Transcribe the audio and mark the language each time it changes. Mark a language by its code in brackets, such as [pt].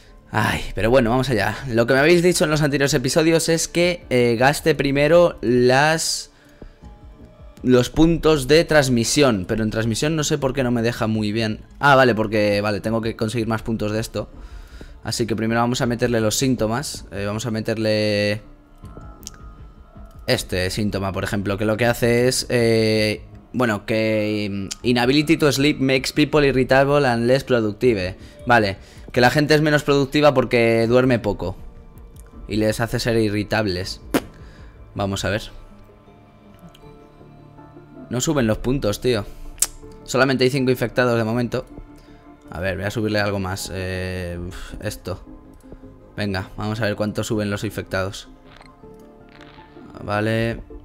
[es] Ay, pero bueno, vamos allá. Lo que me habéis dicho en los anteriores episodios es que gaste primero los puntos de transmisión. Pero en transmisión no sé por qué no me deja muy bien. Ah, vale, porque vale, tengo que conseguir más puntos de esto. Así que primero vamos a meterle los síntomas. Vamos a meterle este síntoma, por ejemplo, que lo que hace es... bueno, que... [en] Inability to sleep makes people irritable and less productive. [es] Vale, que la gente es menos productiva porque duerme poco y les hace ser irritables. Vamos a ver. No suben los puntos, tío. Solamente hay 5 infectados de momento. A ver, voy a subirle algo más. Esto. Venga, vamos a ver cuánto suben los infectados. Vale.